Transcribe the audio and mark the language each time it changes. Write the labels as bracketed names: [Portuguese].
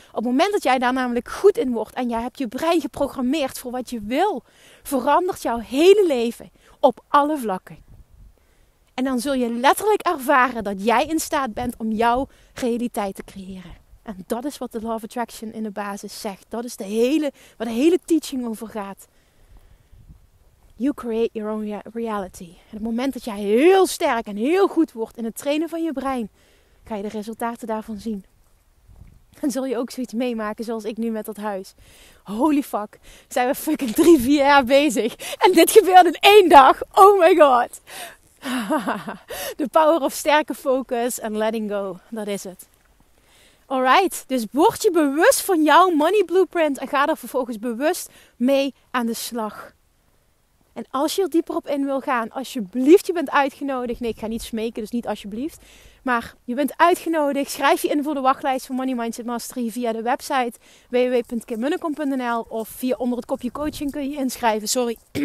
[Dutch] Op het moment dat jij daar namelijk goed in wordt en jij hebt je brein geprogrammeerd voor wat je wil, verandert jouw hele leven op alle vlakken. En dan zul je letterlijk ervaren dat jij in staat bent om jouw realiteit te creëren. En dat is wat de Law of Attraction in de basis zegt. Dat is waar de hele teaching over gaat. [English] You create your own reality. [Dutch] En het moment dat jij heel sterk en heel goed wordt in het trainen van je brein, ga je de resultaten daarvan zien. En zul je ook zoiets meemaken zoals ik nu met dat huis. [English] Holy fuck, [Dutch] zijn we fucking 3-4 jaar bezig. En dit gebeurt in 1 dag. [English] Oh my god. The power of sterke focus and letting go. [Dutch] Dat is het. Alright, dus word je bewust van jouw money blueprint en ga er vervolgens bewust mee aan de slag. En als je er dieper op in wil gaan, alsjeblieft, je bent uitgenodigd. Nee, ik ga niet smeken, dus niet alsjeblieft. Maar je bent uitgenodigd. Schrijf je in voor de wachtlijst van Money Mindset Mastery via de website www.kimmunnekom.nl of via onder het kopje coaching kun je inschrijven. Sorry.